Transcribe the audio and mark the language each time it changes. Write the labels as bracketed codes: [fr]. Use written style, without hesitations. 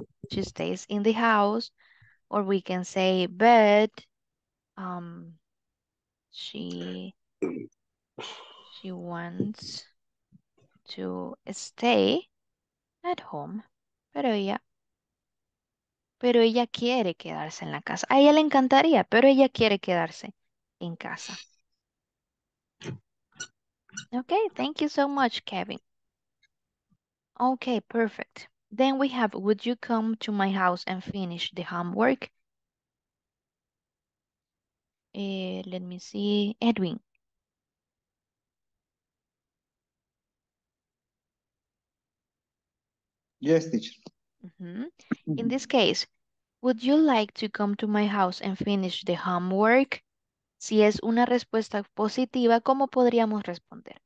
[en] She stays in the house, or we can say, but she wants to stay at home. [es] Pero ella quiere quedarse en la casa. A ella le encantaría, pero ella quiere quedarse en casa. [en] Okay, thank you so much, Kevin. Okay, perfect. Then we have, would you come to my house and finish the homework? Let me see, Edwin. Yes, teacher. Mm-hmm. In this case, would you like to come to my house and finish the homework? [es] Si es una respuesta positiva, ¿cómo podríamos responder?